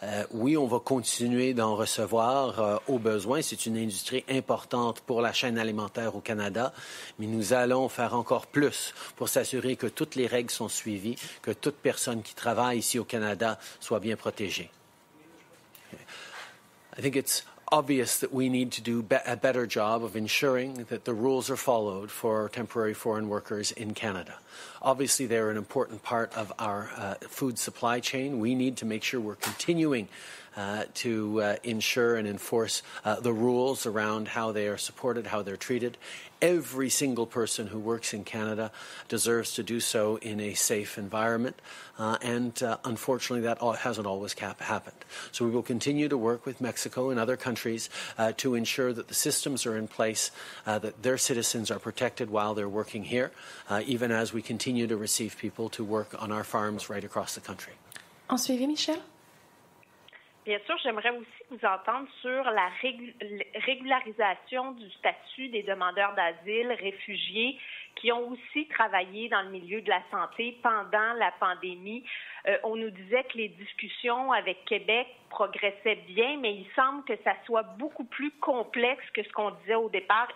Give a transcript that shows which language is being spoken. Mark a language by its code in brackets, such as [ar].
[fr] Oui, on va continuer d'en recevoir au besoin. C'est une industrie importante pour la chaîne alimentaire au Canada, mais nous allons faire encore plus pour s'assurer que toutes les règles sont suivies, que toute personne qui travaille ici au Canada soit bien protégée. [en] I think it's obvious that we need to do a better job of ensuring that the rules are followed for temporary foreign workers in Canada. Obviously, they are an important part of our food supply chain. We need to make sure we're continuing to ensure and enforce the rules around how they are supported, how they're treated. Every single person who works in Canada deserves to do so in a safe environment, and unfortunately that hasn't always happened. So we will continue to work with Mexico and other countries to ensure that the systems are in place, that their citizens are protected while they're working here, even as we continue to receive people to work on our farms right across the country. [fr] En suivi, Michel. Bien sûr, j'aimerais aussi vous entendre sur la régularisation du statut des demandeurs d'asile, réfugiés, qui ont aussi travaillé dans le milieu de la santé pendant la pandémie. On nous disait que les discussions avec Québec progressaient bien, mais il semble que ça soit beaucoup plus complexe que ce qu'on disait au départ.